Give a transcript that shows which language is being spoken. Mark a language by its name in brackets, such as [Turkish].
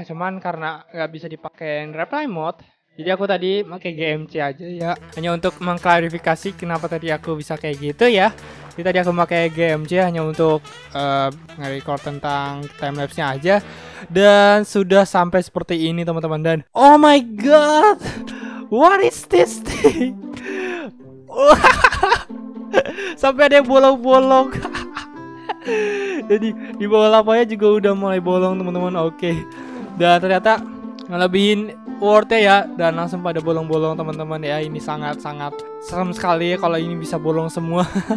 [Indonesian] Cuman karena nggak bisa dipakein reply mode, jadi aku tadi pakai GMC aja ya. Hanya untuk mengklarifikasi kenapa tadi aku bisa kayak gitu ya. Jadi tadi aku pakai GMC hanya untuk nge-record tentang timelapse-nya aja. Dan sudah sampai seperti ini, teman-teman. Dan [English] oh my god, what is this thing? [Indonesian] Sampai ada yang bolong-bolong. Jadi di bawah lapanya juga udah mulai bolong, teman-teman. Oke. Dan ternyata ngelebihin worth-nya ya. Dan langsung pada bolong-bolong, teman-teman. Ya, ini sangat-sangat serem sekali ya kalau ini bisa bolong semua.